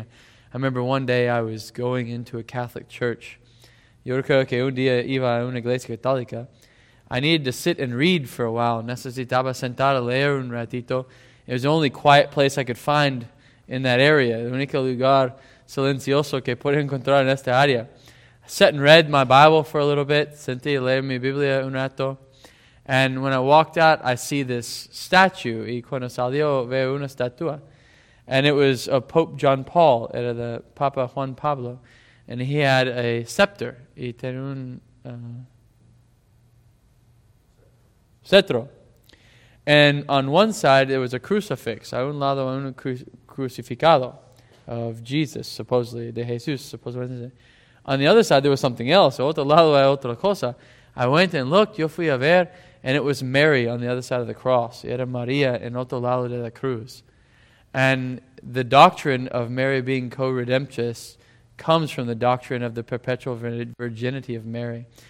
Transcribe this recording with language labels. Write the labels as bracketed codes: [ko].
[en] I remember one day I was going into a Catholic church. [es] Yo recuerdo que un día iba a una iglesia católica. [en] I needed to sit and read for a while. [es] Necesitaba sentar a leer un ratito. [en] It was the only quiet place I could find in that area. [es] El único lugar silencioso que pude encontrar en esta área. [en] I sat and read my Bible for a little bit. [es] Sentí leer mi Biblia un rato. [en] And when I walked out, I see this statue. [es] Y cuando salió, veo una estatua. [en] And it was of Pope John Paul. [es] Era the Papa Juan Pablo. [en] And he had a scepter. [es] Y tenía un cetro. [en] And on one side, there was a crucifix. [es] A un lado, un crucificado [en] of Jesus, supposedly. [es] De Jesús, [en] supposedly. On the other side, there was something else. [es] Otro lado, otra cosa. [en] I went and looked. [es] Yo fui a ver. [en] And it was Mary on the other side of the cross. [es] Era María en otro lado de la cruz. [en] And the doctrine of Mary being co-redemptress comes from the doctrine of the perpetual virginity of Mary.